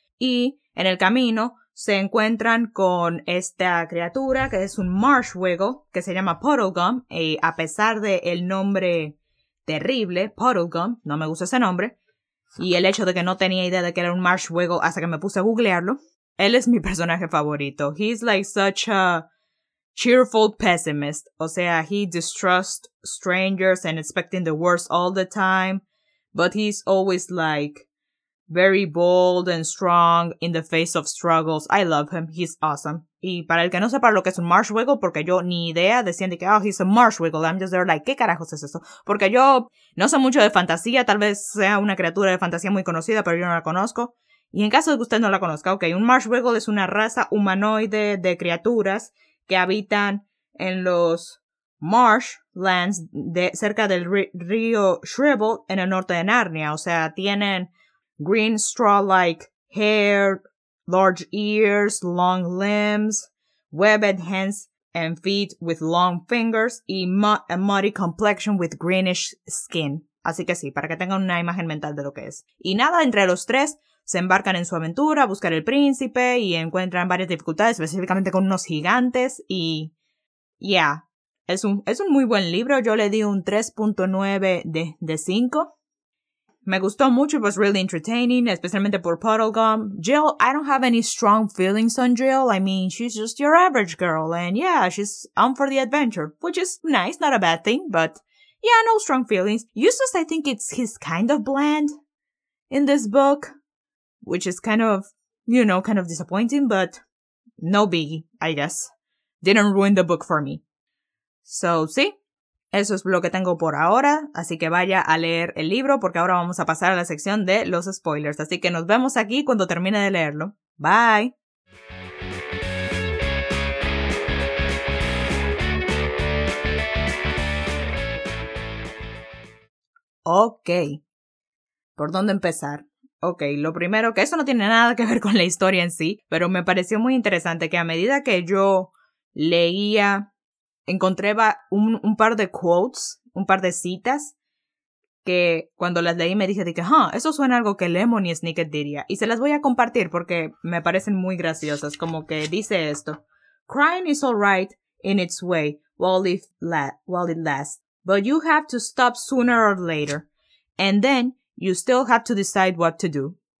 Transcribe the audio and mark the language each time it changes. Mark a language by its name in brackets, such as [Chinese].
[Spanish] Y en el camino se encuentran con esta criatura que es un marsh wiggle que se llama Puddlegum, y a pesar de el nombre terrible, Puddlegum, no me gusta ese nombre, y el hecho de que no tenía idea de que era un marsh wiggle hasta que me puse a googlearlo, él es mi personaje favorito. [English] He's like such a cheerful pessimist, [Spanish] o sea, [English] he distrusts strangers and expecting the worst all the time, but he's always like very bold and strong in the face of struggles. I love him. He's awesome. [Spanish] Y para el que no sepa lo que es un marsh wiggle, porque yo ni idea, decían de que, [English] he's a marsh wiggle. I'm just there like, [Spanish] ¿qué carajos es eso? Porque yo no sé mucho de fantasía. Tal vez sea una criatura de fantasía muy conocida, pero yo no la conozco. Y en caso de que usted no la conozca, un marsh wiggle es una raza humanoide de criaturas que habitan en los marshlands cerca del río Shrivel en el norte de Narnia. O sea, tienen [English] green straw-like hair, large ears, long limbs, webbed hands and feet with long fingers, y a muddy complexion with greenish skin. [Spanish] Así que sí, para que tengan una imagen mental de lo que es. Y nada, entre los tres se embarcan en su aventura a buscar el príncipe y encuentran varias dificultades, específicamente con unos gigantes. Y es un muy buen libro. Yo le di un 3.9 de 5. Me gustó mucho, [English] it was really entertaining, [Spanish] especialmente por Puddlegum. [English] Jill, I don't have any strong feelings on Jill. I mean, she's just your average girl, and she's on for the adventure, which is nice, not a bad thing, but no strong feelings. Eustace, I think he's kind of bland in this book, which is kind of disappointing, but no biggie, I guess. Didn't ruin the book for me. So, see? [Spanish] Eso es lo que tengo por ahora, así que vaya a leer el libro porque ahora vamos a pasar a la sección de los spoilers. Así que nos vemos aquí cuando termine de leerlo. ¡Bye! Ok. ¿Por dónde empezar? Ok, lo primero, que eso no tiene nada que ver con la historia en sí, pero me pareció muy interesante que a medida que yo leía, encontré un par de quotes, un par de citas, que cuando las leí me dije, eso suena algo que Lemony Snicket diría. Y se las voy a compartir porque me parecen muy graciosas. Como que dice esto: [English] crying is all right in its way while it lasts, but you have to stop sooner or later, and then you still have to decide what to do.